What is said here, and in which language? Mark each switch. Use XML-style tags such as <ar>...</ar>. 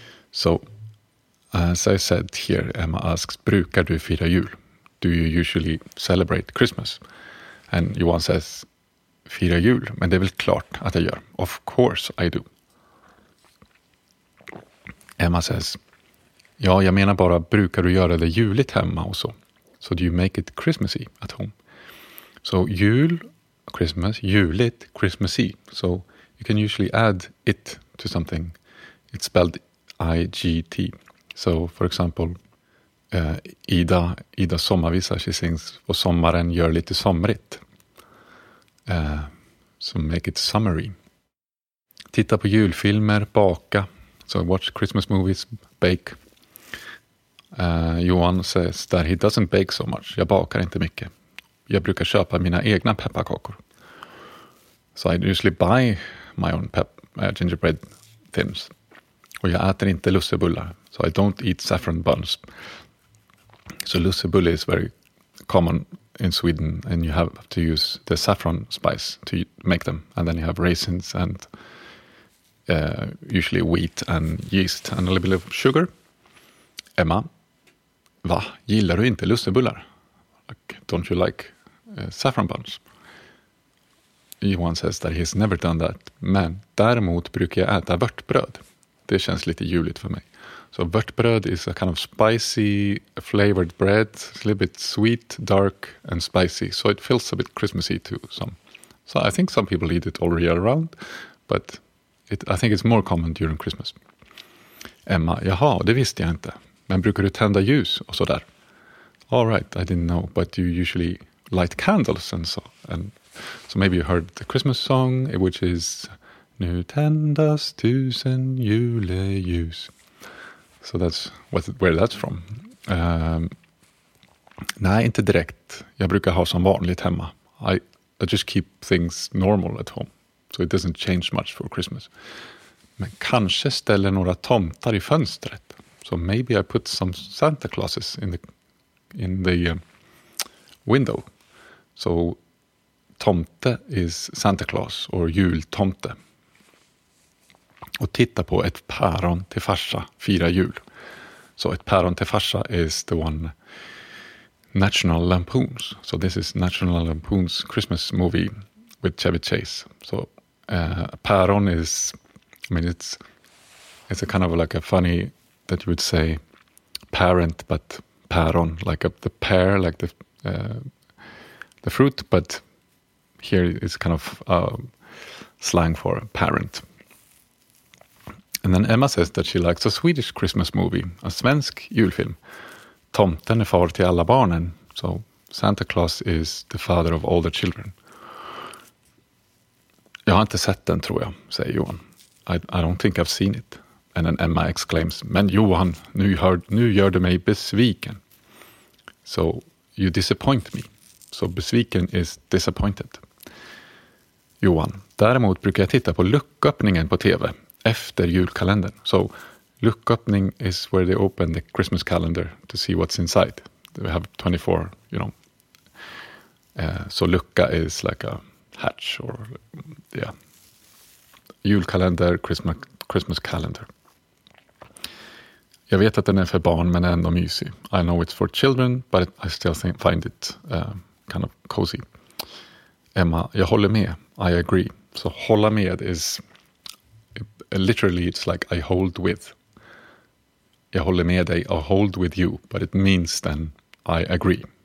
<en>So, as I said here, Emma asks,</en> <sv>brukar du fira jul?</sv> <en>Do you usually celebrate Christmas? And Johan says,</en> <sv>fira jul, men det är väl klart att jag gör.</sv> <en>Of course I do. Emma says,</en> <sv>ja, jag menar bara, brukar du göra det juligt hemma och så?</sv> <en>So do you make it Christmassy at home? So jul, Christmas, juligt, Christmassy. So you can usually add it to something. It's spelled I-G-T. So for example, Ida sommarvisa, she sings,</en> <sv>och sommaren gör lite somrigt.</sv> <en>So make it summery.</en> <sv>Titta på julfilmer, baka.</sv> <en>So watch Christmas movies, bake. Johan says that he doesn't bake so much.</en> <sv>Jag bakar inte mycket. Jag brukar köpa mina egna pepparkakor.</sv> <en>So I usually buy my own gingerbread things.</en> <sv>Och jag äter inte lussebullar.</sv> <en>So I don't eat saffron buns. So lussebulle is very common in Sweden, and you have to use the saffron spice to make them, and then you have raisins and usually wheat and yeast and a little bit of sugar.</en> <sv>Emma, va? Gillar du inte lussebullar?</sv> <en>Like, don't you like saffron buns? Johan says that he's never done that,</en> <sv>men däremot brukar jag äta vörtbröd. Det känns lite juligt för mig.</sv> <en>So vörtbröd is a kind of spicy flavored bread. It's a little bit sweet, dark and spicy. So it feels a bit Christmassy to some. So I think some people eat it all year round. But I think it's more common during Christmas.</en> <sv>Emma, jaha, det visste jag inte. Men brukar du tända ljus och sådär?</sv> <en>All right, I didn't know. But you usually light candles and so. And so maybe you heard the Christmas song, which is,</en> <sv>nu tändas tusen juleljus.</sv> <en>So that's where that's from.</en> <sv>Nej, inte direkt. Jag brukar ha som vanligt hemma.</sv> <en>I just keep things normal at home. So it doesn't change much for Christmas.</en> <sv>Men kanske ställer några tomtar i fönstret.</sv> <en>So maybe I put some Santa Clauses in the window. So tomte is Santa Claus or jultomte.</en> <sv>Och titta på ett päron till farsa, fira jul.</sv> <en>So ett päron till farsa is the one National Lampoon's. So this is National Lampoon's Christmas movie with Chevy Chase. So päron is I mean, it's a kind of like a funny that you would say parent, but päron, like a, the pear, like the fruit, but here it's kind of slang for parent. And then Emma says that she likes a Swedish Christmas movie, a svensk julfilm.</en> <sv>Tomten är far till alla barnen.</sv> <en>So Santa Claus is the father of all the children.</en> <sv>Jag har inte sett den, tror jag, säger Johan.</sv> <en>I don't think I've seen it. And then Emma exclaims,</en> <sv>men Johan, nu gör du mig besviken.</sv> <en>So you disappoint me. So besviken is disappointed.</en> <sv>Johan, däremot brukar jag titta på lucköppningen på tv efter julkalendern.</sv> <en>So luckopening is where they open the Christmas calendar to see what's inside. We have 24, you know. So lucka is like a hatch or, yeah. Julkalender, Christmas calendar.</en> <sv>Jag vet att den är för barn, men ändå mysig.</sv> <en>I know it's for children, but I still find it kind of cozy. Emma,</en> <sv>jag håller med.</sv> <en>I agree. So hålla med is, literally it's like I hold with.</en> <sv>Jag håller med dig,</sv> <en>I hold with you, but it means then I agree.</en>